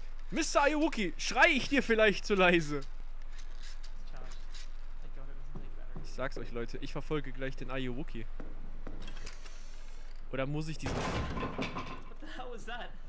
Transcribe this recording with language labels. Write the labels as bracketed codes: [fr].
[de] Mr. Ayuwoki, schrei ich dir vielleicht zu leise? [en] It's charged. I got it with the big batteries. [de] sag's euch, Leute, ich verfolge gleich den Ayuwuki. Oder muss ich diesen... [en] What the hell was that?